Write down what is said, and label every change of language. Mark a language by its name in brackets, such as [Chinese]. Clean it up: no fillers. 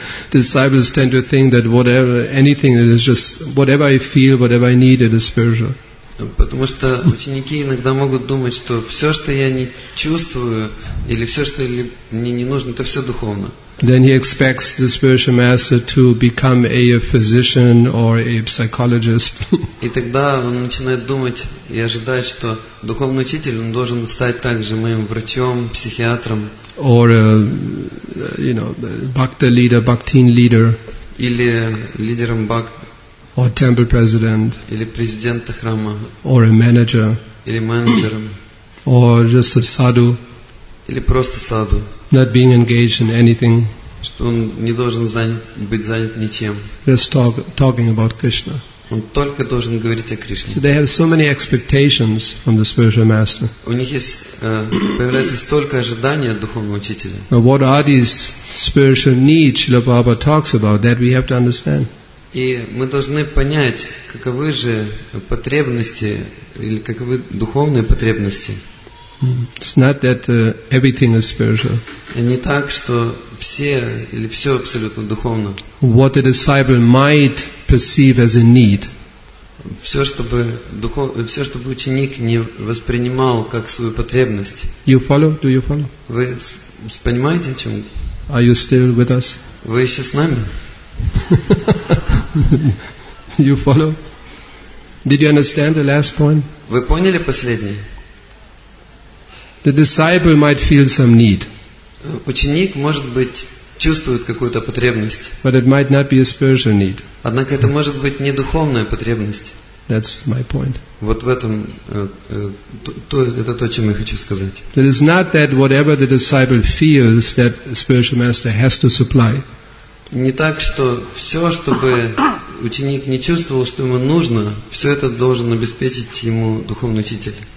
[English] Disciples tend to think that whatever, anything that is just whatever I feel, whatever I need, it is spiritual. [Russian] Потому что ученики иногда могут думать, что все, что я не чувствую или все, что мне не нужно, это все духовно. [English] Then he expects the spiritual master to become a physician or a psychologist. [Russian] И тогда он начинает думать и ожидать, что духовный учитель он должен стать также моим врачом, психиатром. [English] Or bhakti leader, bhakti leader. [Russian] Или лидером бак. [English] Or temple president. [Russian] Или президента храма. [English] Or a manager. [Russian] Или менеджером. [English] Or just a sadhu. [Russian] Или просто sadhu. [English] Not being engaged in anything. [Russian] Что он не должен быть занят ничем. [English] Just talking about Krishna. [Russian] Он только должен говорить о Кришне. [English] So they have so many expectations from the spiritual master. [Russian] У них есть появляется столько ожиданий от духовного учителя. [English] Now what are these spiritual needs Srila Prabhupada talks about that we have to understand? [Russian] И мы должны понять, каковы же потребности или каковы духовные потребности. [English] It's not that everything is spiritual. [Russian] Не так, что все или все абсолютно духовно. [English] What a disciple might perceive as a need. [Russian] Все, чтобы ученик не воспринимал как свою потребность. [English] You follow? Do you follow? [Russian] Вы понимаете, о чем? [English] Are you still with us? [Russian] Вы еще с нами? [English] You follow? Did you understand the last point? [Russian] Вы поняли последнее? [English] The disciple might feel some need. [Russian] Ученик, может быть, чувствует какую-то потребность. [English] But it might not be a spiritual need. [Russian] Однако это может быть не духовная потребность. [English] That's my point. [Russian] Вот в этом это то, о чем я хочу сказать. [English] It is not that whatever the disciple feels that spiritual master has to supply. [Russian] Не так, что все, чтобы ученик не чувствовал, что ему нужно, все это должен обеспечить ему духовный учитель.